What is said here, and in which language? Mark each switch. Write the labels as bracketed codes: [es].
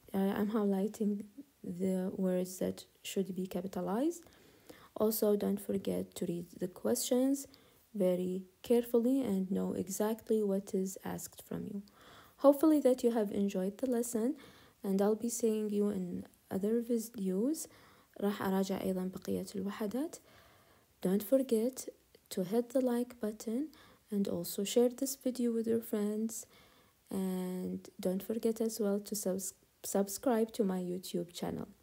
[en] I'm highlighting the words that should be capitalized. Also, don't forget to read the questions very carefully and know exactly what is asked from you. Hopefully that you have enjoyed the lesson, and I'll be seeing you in other videos. [ar] راح أراجع أيضا بقية الوحدات. [en] Don't forget to hit the like button and also share this video with your friends. And don't forget as well to subscribe to my YouTube channel.